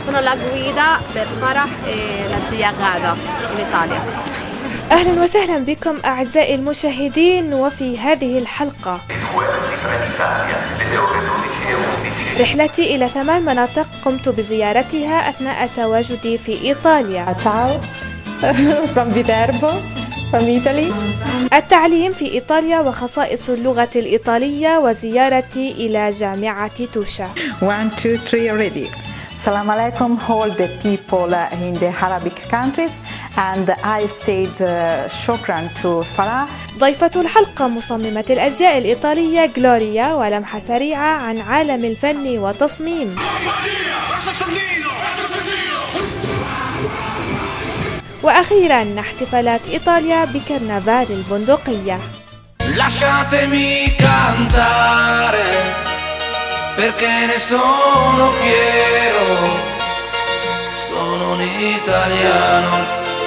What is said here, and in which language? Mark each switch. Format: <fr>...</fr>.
<it>Sono la guida per Farah e la zia Gada in Italia.</it> <ar>اهلا وسهلا بكم اعزائي المشاهدين وفي هذه الحلقه رحلتي الى 8 مناطق قمت بزيارتها اثناء تواجدي في ايطاليا.</ar> <en>تشاو from Viterbo from Italy.</en> <ar>التعليم في ايطاليا وخصائص اللغه الايطاليه وزيارتي الى جامعه توشا.</ar> <en>1 2 3 ready.</en> <ar>السلام عليكم</ar> <en>all the people in the Arabic countries and I said شكرا to Farah.</en> <ar>ضيفة الحلقة مصممة الأزياء الإيطالية غلوريا ولمحة سريعة عن عالم الفن والتصميم. وأخيرا احتفالات إيطاليا بكرنفال البندقية.</ar> <it>Lasciatemi cantare perché ne sono fiero, sono un italiano.</it>